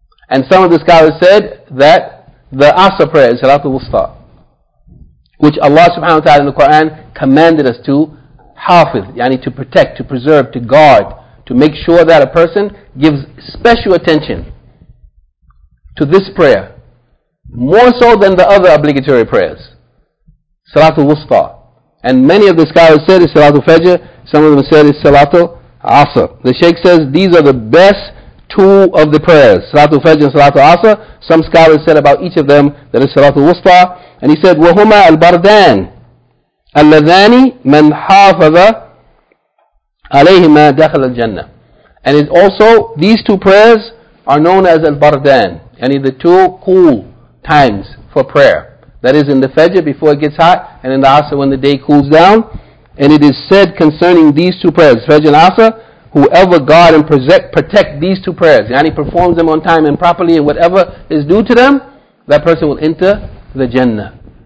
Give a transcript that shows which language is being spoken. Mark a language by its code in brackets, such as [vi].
[en] And some of the scholars said that the Asr prayer is Salat al-Wusta, which Allah subhanahu wa ta'ala in the Quran commanded us to hafidh, yani to protect, to preserve, to guard, to make sure that a person gives special attention to this prayer, more so than the other obligatory prayers. Salat al-Wusta. And many of the scholars said it's Salat al-Fajr, some of them said it's Salat al-Asr. The Shaykh says these are the best two of the prayers, Salat al-Fajr and Salat al-Asr. Some scholars said about each of them that it's Salat al-Wusta. And he said, [ar] وَهُمَا الْبَرْدَانِ الَّذَانِ مَنْ حَافَظَ عَلَيْهِمَا دَخَلَ الْجَنَّةِ. [en] And it's also, these two prayers are known as al-Bardan, yani the two cool times for prayer. That is in the Fajr before it gets hot, and in the Asr when the day cools down. And it is said concerning these two prayers, Fajr and Asr, whoever guard and protect these two prayers, yani performs them on time and properly and whatever is due to them, that person will enter the Jannah.